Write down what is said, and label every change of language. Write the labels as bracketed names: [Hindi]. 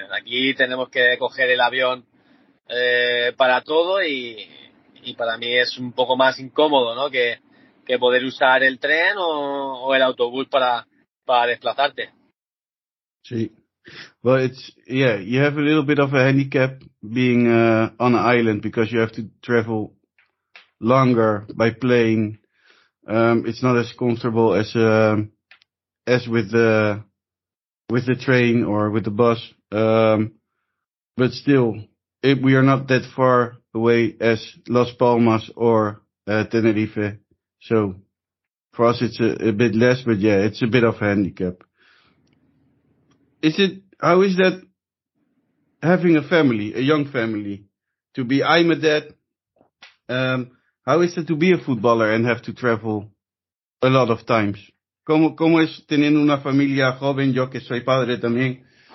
[Spanish] Aquí tenemos que coger el avión para todo, y para mí es un poco más incómodo, ¿no? que poder usar el tren o el autobús para desplazarte. Sí. [English] Well, you have a little bit of a handicap being on an island, because you have to travel longer by plane. It's not as comfortable as with with the train or with the bus. But still, we are not that far away as Las Palmas or Tenerife. So for us, it's a bit less, but yeah, it's a bit of a handicap. How is that having a family, a young family? I'm a dad. How is it to be a footballer and have to travel a lot of times? [Spanish] ¿Cómo es teniendo una familia joven, yo que soy padre también?